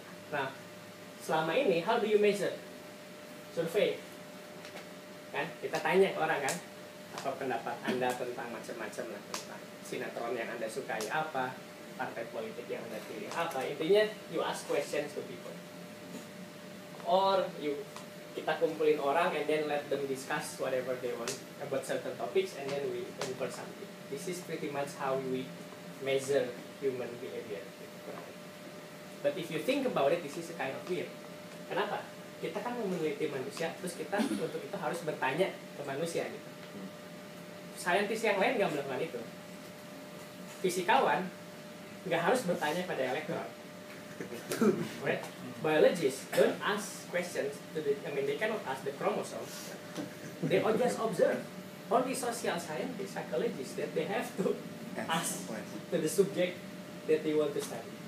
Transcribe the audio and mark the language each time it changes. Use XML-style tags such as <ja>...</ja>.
<id>Nah, selama ini</id> <en>how do you measure? Survey.</en> <id>Kan, kita tanya ke orang kan, apa pendapat Anda tentang macam-macam lah, tentang sinetron yang Anda sukai apa, partai politik yang Anda pilih apa. Intinya</id> <en>you ask questions to people. Or you</en> <id>kita kumpulin orang</id> <en>and then let them discuss whatever they want about certain topics and then we infer something. This is pretty much how we measure human behavior. But if you think about it, this is a kind of weird.</en> <id>Kenapa? Kita kan meneliti manusia, terus kita untuk itu harus bertanya ke manusia gitu. Saintis yang lain gak melakukan itu. Fisikawan gak harus bertanya pada elektron.</id> <en>Right? Biologists don't ask questions to the, I mean they cannot ask the chromosomes. They all just observe. Only social scientists, psychologists, that they have to ask to the subject that they want to study.</en>